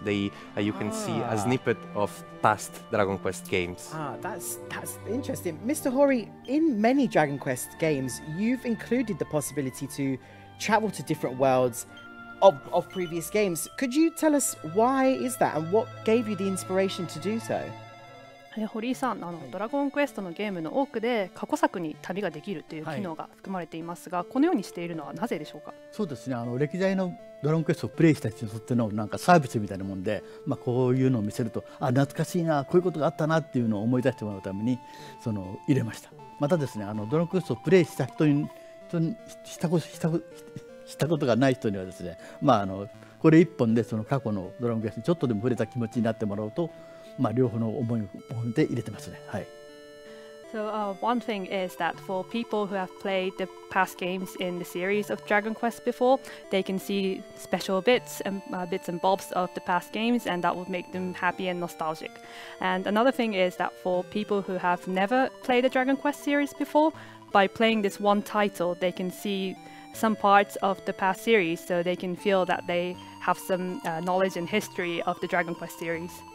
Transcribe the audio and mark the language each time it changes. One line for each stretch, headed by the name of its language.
English: They, you can see a snippet of past Dragon Quest games. Ah, that's interesting. Mr. Hori, in many Dragon Quest games, you've included the possibility to travel to different worlds of previous games. Could you tell us why is that, and what gave you the inspiration to do so?
Japanese: ホリーさん、あのドラゴンクエストのゲームの多くで過去作に旅ができるという機能が含まれていますが、はい、このようにしているのはなぜでしょうか？そうですね、あの歴代のドラゴンクエストをプレイした人にとってのなんかサービスみたいなもんで、まあ、こういうのを見せると、あ、懐かしいな、こういうことがあったなっていうのを思い出してもらうためにその入れました。またですね、あのドラゴンクエストをプレイした人にしたことがない人にはですね、まあ、あのこれ一本でその過去のドラゴンクエストにちょっとでも触れた気持ちになってもらうと、まあ、両方の思いを込めて入れてますね。はい。
English: So, one thing is that for people who have played the past games in the series of Dragon Quest before, they can see special bits and bits and bobs of the past games, and that would make them happy and nostalgic. And another thing is that for people who have never played the Dragon Quest series before, by playing this one title, they can see some parts of the past series, so they can feel that they have some knowledge and history of the Dragon Quest series.